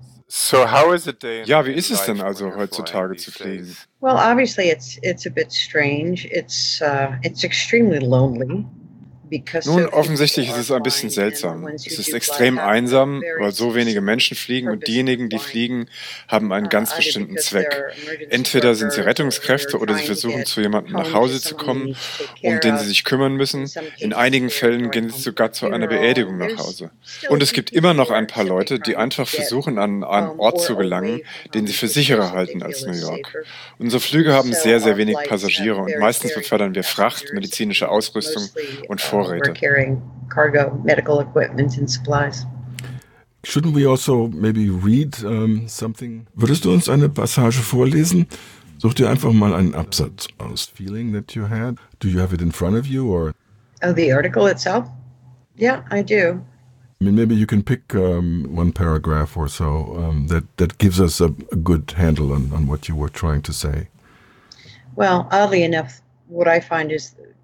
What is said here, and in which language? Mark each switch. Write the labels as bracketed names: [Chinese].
[English] So how is it, Dan? [German] Ja, wie ist es denn also heutzutage zu fliegen? [English] Well, obviously it's a bit strange. It's extremely lonely. [German] Nun, offensichtlich ist es ein bisschen seltsam. Es ist extrem einsam, weil so wenige Menschen fliegen und diejenigen, die fliegen, haben einen ganz bestimmten Zweck. Entweder sind sie Rettungskräfte oder sie versuchen, zu jemandem nach Hause zu kommen, um den sie sich kümmern müssen. In einigen Fällen gehen sie sogar zu einer Beerdigung nach Hause. Und es gibt immer noch ein paar Leute, die einfach versuchen, an einen Ort zu gelangen, den sie für sicherer halten als New York. Unsere Flüge haben sehr, sehr wenig Passagiere und meistens befördern wir Fracht, medizinische Ausrüstung und [English] We're carrying cargo, medical equipment and supplies. Shouldn't we also maybe read something? [German] Würdest du uns eine Passage vorlesen? Such dir einfach mal einen Absatz aus. [English] Feeling that you had. Do you have it in front of you or? Oh, the article itself? Yeah, I do. I mean, maybe you can pick one paragraph or so that gives us a good handle on what you were trying to say. Well, oddly enough, what I find is.